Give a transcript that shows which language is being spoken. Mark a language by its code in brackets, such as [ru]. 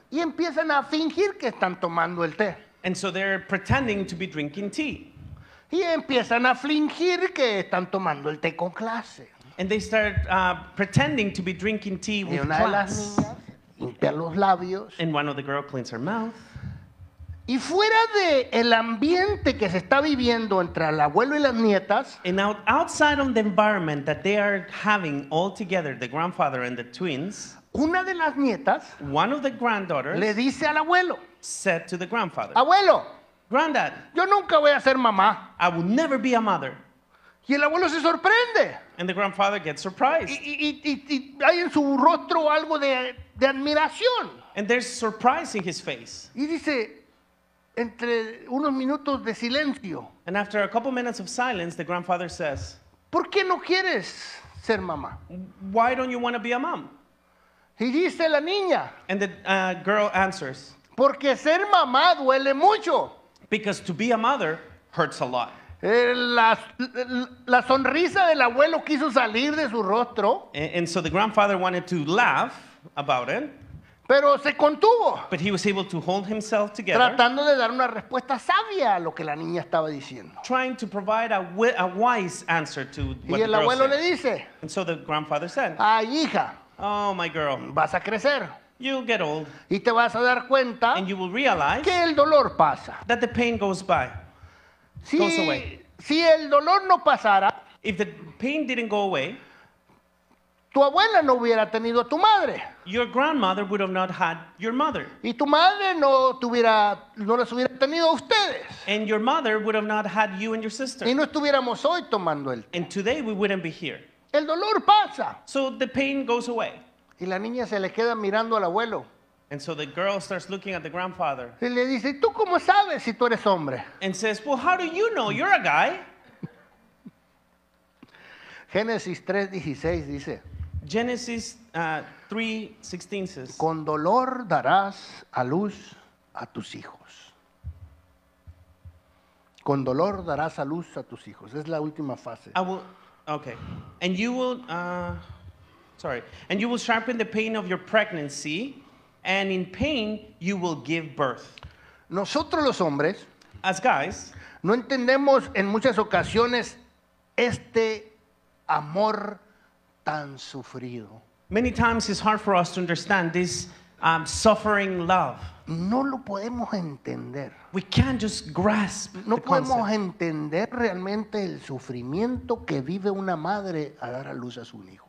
[es] Y empiezan a fingir que están tomando el té. [en] And so they're pretending to be drinking tea. [es] Y empiezan a fingir que están tomando el té con clase. [en] And they start pretending to be drinking tea with class. [es] Y una de las niñas limpia los labios. [en] And one of the girls cleans her mouth. [es] Y fuera de el ambiente que se está viviendo entre el abuelo y las nietas. [en] And outside of the environment that they are having all together, the grandfather and the twins. [es] Una de las nietas, [en] one of the granddaughters, [es] le dice al abuelo, [en] said to the grandfather, [es] abuelo, [en] granddad, [es] yo nunca voy a ser mamá. [en] I will never be a mother. [es] Y el abuelo se sorprende. [en] And the grandfather gets surprised. [es] Y hay en su rostro algo de admiración. [en] And there's surprise in his face. [es] Y dice, entre unos minutos de silencio. [en] And after a couple minutes of silence, the grandfather says, [es] ¿por qué no quieres ser mamá? [en] Why don't you want to be a mom? [es] Y dice la niña. [en] And the girl answers. [es] Porque ser mamá duele mucho. [en] Because to be a mother hurts a lot. [es] La sonrisa del abuelo quiso salir de su rostro. [en] And so the grandfather wanted to laugh about it. [es] Pero se contuvo. [en] But he was able to hold himself together. [es] Tratando de dar una respuesta sabia a lo que la niña estaba diciendo. [en] Trying to provide a wise answer to what the girl said. [es] Y el abuelo le dice. [en] And so the grandfather said. [es] Ay, hija. [en] Oh, my girl. [es] Vas a crecer. [en] You'll get old. [es] Y te vas a dar cuenta. [en] And you will realize. [es] Que el dolor pasa. [en] That the pain goes by. [es] Si, [en] goes away. [es] Si el dolor no pasara. [en] If the pain didn't go away. [es] Tu abuela no hubiera tenido a tu madre. [en] Your grandmother would have not had your mother. [es] Y tu madre no las hubiera tenido a ustedes. [en] And your mother would have not had you and your sister. [es] Y no estuviéramos hoy tomando el té. [en] And today we wouldn't be here. [es] El dolor pasa. [en] So the pain goes away. [es] Y la niña se le queda mirando al abuelo. [en] And so the girl starts looking at the grandfather. [es] Y le dice, ¿tú cómo sabes si tú eres hombre? [en] And says, well, how do you know? You're a guy. [es] Génesis 3:16 dice. [en] Genesis 3:16 says. [es] Con dolor darás a luz a tus hijos. Con dolor darás a luz a tus hijos. Es la última fase. [en] Okay, and you will, and you will sharpen the pain of your pregnancy, and in pain you will give birth. [es] Nosotros los hombres, [en] as guys, [es] no entendemos en muchas ocasiones este amor tan sufrido. [en] Many times it's hard for us to understand this suffering love. [es] No lo podemos entender. [en] We can't just grasp [es] no [en] the concept. [es] No podemos entender realmente el sufrimiento que vive una madre a dar a luz a su hijo.